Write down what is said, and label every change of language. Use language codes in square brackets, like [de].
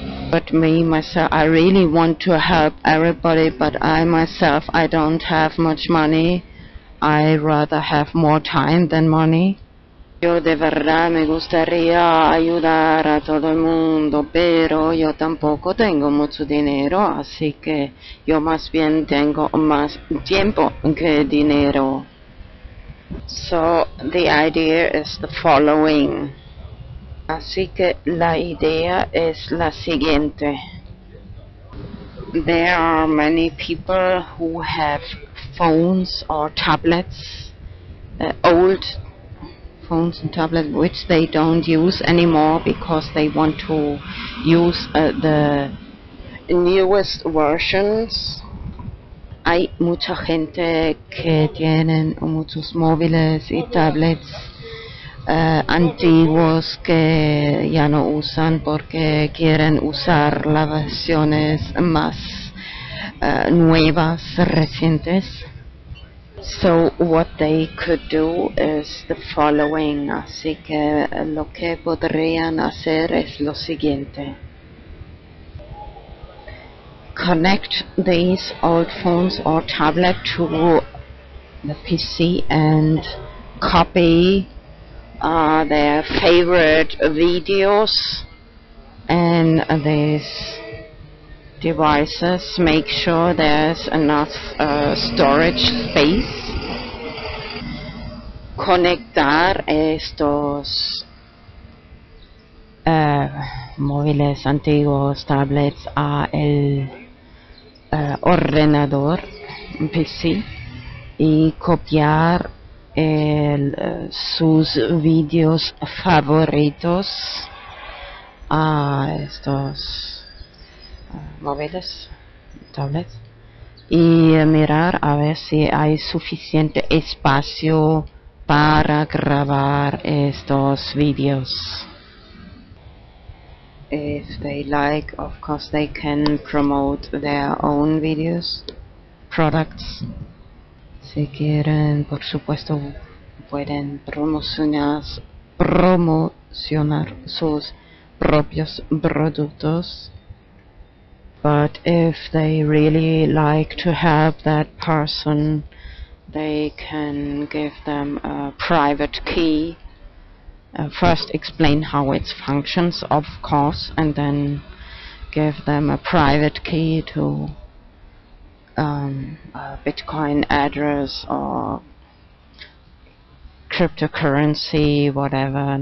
[en] But me, myself, I really want to help everybody, but I myself, I don't have much money. I rather have more time than money. [es] Yo de verdad me gustaría ayudar a todo el mundo, pero yo tampoco tengo mucho dinero, así que yo más bien tengo más tiempo que dinero. [en] So, the idea is the following. [es] Así que la idea es la siguiente. [en] There are many people who have phones or tablets, old phones and tablets, which they don't use anymore because they want to use the newest versions. [es] Hay mucha gente que tienen muchos móviles y tablets antiguos que ya no usan porque quieren usar las versiones más nuevas, recientes. [en] So what they could do is the following. [es] Así que lo que podrían hacer es lo siguiente. [en] Connect these old phones or tablet to the PC and copy their favorite videos and these devices. Make sure there's enough storage space. [es] Conectar estos móviles antiguos, tablets, a el ordenador, PC, y copiar el sus vídeos favoritos a estos móviles, tablets, y mirar a ver si hay suficiente espacio para grabar estos vídeos. [en] If they like, of course they can promote their own videos, products. [es] Si quieren, por supuesto, pueden promocionar sus propios productos. [en] But if they really like to help that person, they can give them a private key. First explain how it functions, of course, and then give them a private key to a Bitcoin address or cryptocurrency, whatever.